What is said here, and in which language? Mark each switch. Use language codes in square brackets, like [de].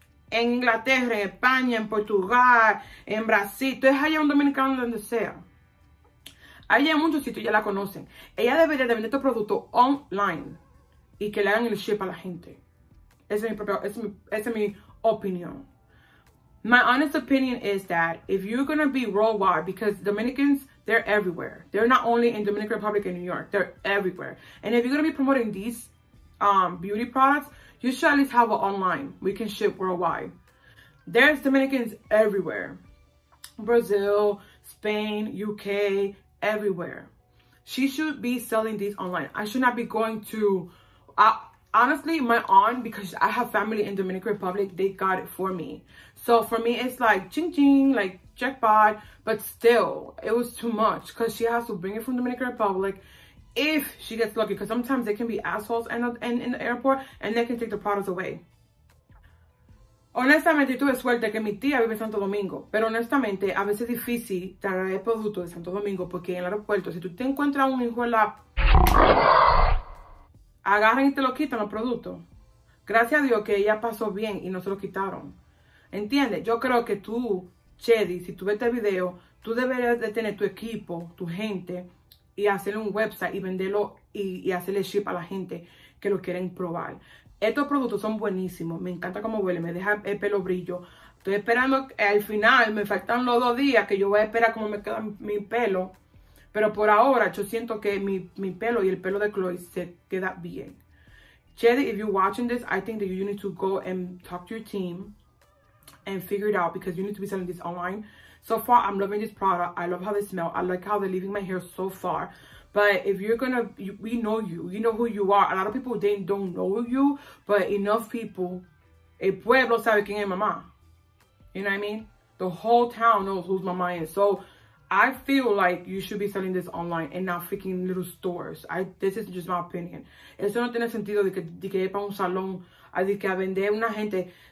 [es] En Inglaterra, en España, en Portugal, en Brasil. Tú es allá un dominicano donde sea. A ella en muchos sitios ya la conocen. Ella debería de vender estos productos online y que le hagan el ship a la gente. Esa es mi propia, esa es mi opinión. [en] My honest opinion is that if you're going to be worldwide, because Dominicans, they're everywhere. They're not only in Dominican Republic and New York. They're everywhere. And if you're going to be promoting these beauty products, you should at least have one online. We can ship worldwide. There's Dominicans everywhere. Brazil, Spain, UK, everywhere. She should be selling these online. I should not be going to... honestly, my aunt, because I have family in Dominican Republic, they got it for me. So for me, it's like ching ching, like jackpot. But still, it was too much because she has to bring it from Dominican Republic. If she gets lucky, because sometimes they can be assholes in the airport and they can take the products away. [es] Honestamente, tuve suerte que mi tía vive en Santo Domingo. Pero honestamente, a veces es difícil traer productos de Santo Domingo porque en el aeropuerto, si tú te encuentras un hijo en la... agarran y te lo quitan los productos. Gracias a Dios que ella pasó bien y no se lo quitaron. ¿Entiendes? Yo creo que tú, Chedi, si tú ves este video, tú deberías de tener tu equipo, tu gente, y hacerle un website y venderlo y hacerle ship a la gente que lo quieren probar. Estos productos son buenísimos. Me encanta cómo huele. Me deja el pelo brillo. Estoy esperando al final. Me faltan los 2 días que yo voy a esperar cómo me queda mi pelo. Pero por ahora, yo siento que mi pelo y el pelo de Chloe se queda bien. [en] Chedi, if you're watching this, I think that you need to go and talk to your team and figure it out because you need to be selling this online. So far, I'm loving this product. I love how they smell. I like how they're leaving my hair so far. But if you're gonna, we know you. You know who you are. A lot of people, they don't know you. But enough people, [es] el pueblo sabe quién es mamá. [en] You know what I mean? The whole town knows who's mamá is. So I feel like you should be selling this online and not freaking little stores. This is just my opinion. [es] Eso no tiene sentido de que ir para un salón a de que a vender una gente.